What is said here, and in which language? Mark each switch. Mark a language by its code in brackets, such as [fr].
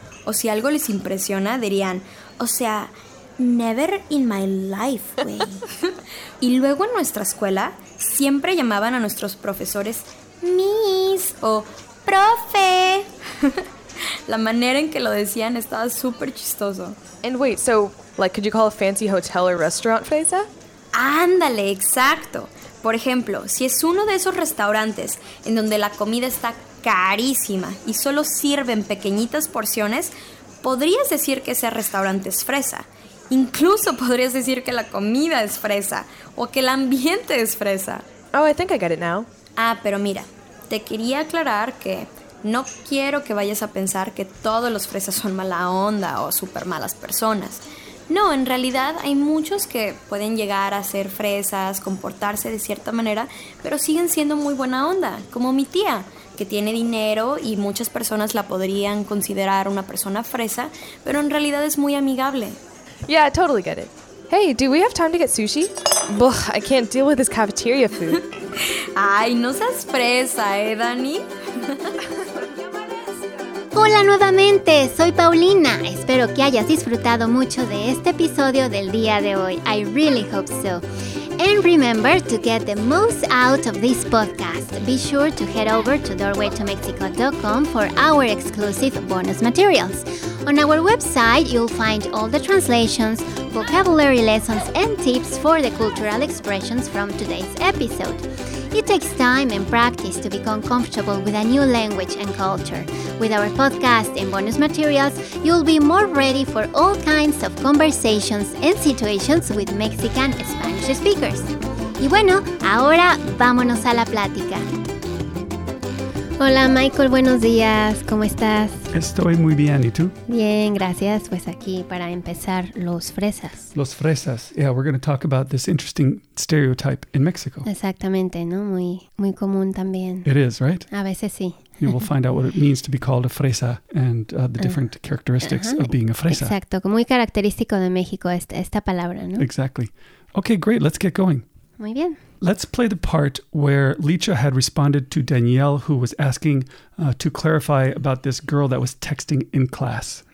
[es] O si algo les impresiona, dirían, o sea, never in my life, güey. Y luego en nuestra escuela, siempre llamaban a nuestros profesores, miss o profe. La manera en que lo decían estaba súper chistoso. [en] And wait, so, like, could you call a fancy hotel or restaurant fresa? [es] ¡Ándale, exacto! Por ejemplo, si es uno de esos restaurantes en donde la comida está carísima y solo sirven pequeñitas porciones, podrías decir que ese restaurante es fresa. Incluso podrías decir que la comida es fresa o que el ambiente es fresa. [en] Oh, I think I get it now. [es] Ah, pero mira, te quería aclarar que... No quiero que vayas a pensar que todos los fresas son mala onda o súper malas personas. No, en realidad hay muchos que pueden llegar a ser fresas, comportarse de cierta manera, pero siguen siendo muy buena onda, como mi tía, que tiene dinero y muchas personas la podrían considerar una persona fresa, pero en realidad es muy amigable. [en] Yeah, I totally get it. Hey, do we have time to get sushi? Ugh, I can't deal with this cafeteria food. [es] Ay, no seas fresa, Dani. Hola nuevamente, soy Paulina. Espero que hayas disfrutado mucho de este episodio del día de hoy. [en] I really hope so. And remember to get the most out of this podcast. Be sure to head over to doorwaytomexico.com for our exclusive bonus materials. On our website, you'll find all the translations, vocabulary lessons, and tips for the cultural expressions from today's episode. It takes time and practice to become comfortable with a new language and culture. With our podcast and bonus materials, you'll be more ready for all kinds of conversations and situations with Mexican Spanish speakers. Y bueno, ahora vámonos a la plática. [es] Hola, Michael, buenos días. ¿Cómo estás? Estoy muy bien, ¿y tú? Bien, gracias. Pues aquí para empezar, los fresas. Los fresas. [en] Yeah, we're going to talk about this interesting stereotype in Mexico. [es] Exactamente, ¿no? Muy, muy común también. [en] It is, right? [es] A veces sí. [en] You will find out what it means to be called a fresa and the different characteristics of being a fresa. [es] Exacto, muy característico de México esta palabra, ¿no? [en] Exactly. Okay, great, let's get going. [es] Muy bien. [en] Let's play the part where Licha had responded to Danielle, who was asking to clarify about this girl that was texting in class.